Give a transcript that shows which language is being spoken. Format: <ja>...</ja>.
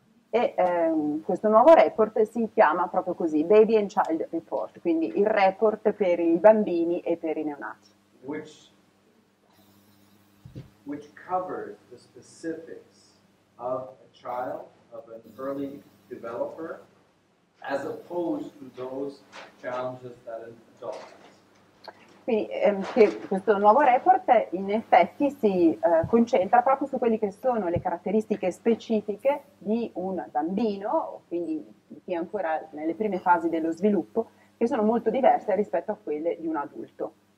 <it>E questo nuovo report si chiama proprio così, Baby and Child Report, quindi il report per i bambini e per i neonati.</it> <en>Which covers the specifics of a child, of an early developer, as opposed to those challenges that an adult has.</en> <it>Quindi questo nuovo report in effetti si concentra proprio su quelle che sono le caratteristiche specifiche di un bambino, quindi chi è ancora nelle prime fasi dello sviluppo, che sono molto diverse rispetto a quelle di un adulto.</it>